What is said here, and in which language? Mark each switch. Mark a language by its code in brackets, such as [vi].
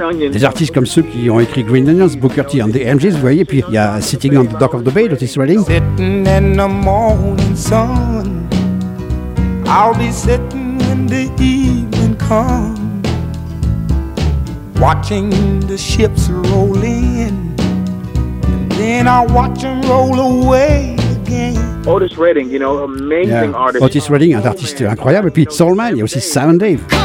[fr] Des artistes comme ceux qui ont écrit Green Onions, Booker T and the MGs, vous voyez, puis il y a Sitting on the Dock of the Bay, Otis Redding. [en] Sitting in the morning sun, I'll be sitting when the evening comes, watching the ships roll in, and then I'll watch them roll away. Otis Redding, you know, amazing yeah. artist. [fr] Otis Redding, un artiste incroyable, puis Soul Man, il y a aussi Simon Dave.